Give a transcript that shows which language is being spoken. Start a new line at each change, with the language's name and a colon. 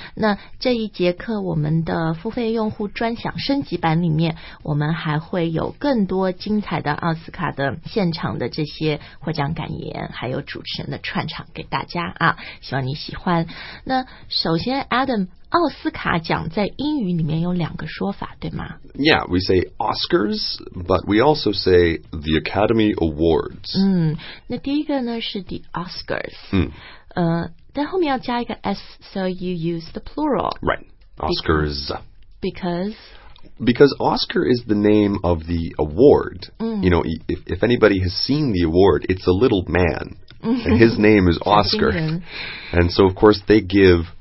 Chinese: 那这一节课我们的付费用户专享升级版里面，我们还会有更多精彩的奥斯卡的现场的这些获奖感言，还有主持人的串场给大家啊，希望你喜欢。那首先 Adam， 奥斯卡奖在英语里面有两个说法，对吗？
English: Yeah, we say Oscars, but we also say the Academy Awards.
Chinese: 那第一个呢是 the Oscars. 但后面要加一个 S,
English: so you use the plural. Right, Oscars. Because Oscar is the name of the award. You know, if anybody has seen the award, it's a little man. And his name is Oscar. And so, of course, they give...